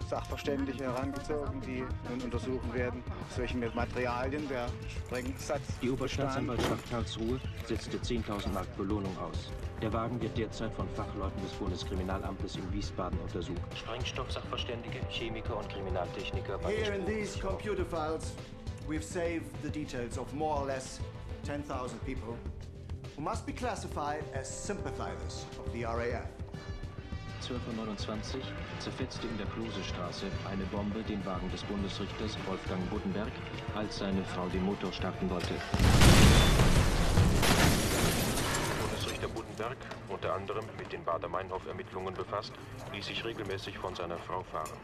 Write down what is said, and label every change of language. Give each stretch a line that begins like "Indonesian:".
German: Sachverständige herangezogen, die nun untersuchen werden, aus welchen Materialien der Sprengsatz. Die Oberstaatsanwaltschaft Karlsruhe setzte 10.000 Mark Belohnung aus. Der Wagen wird derzeit von Fachleuten des Bundeskriminalamtes in Wiesbaden untersucht. Sprengstoffsachverständige, Chemiker und Kriminaltechniker.
English: Here in these computer files, we've saved the details of more or less 10.000 people who must be classified as sympathizers of the RAF.
German: 12.29 Uhr zerfetzte in der Klosestraße eine Bombe den Wagen des Bundesrichters Wolfgang Buddenberg, als seine Frau den Motor starten wollte. Bundesrichter Buddenberg. Berg, unter anderem mit den Baader-Meinhof-Ermittlungen befasst, ließ sich regelmäßig von seiner Frau fahren.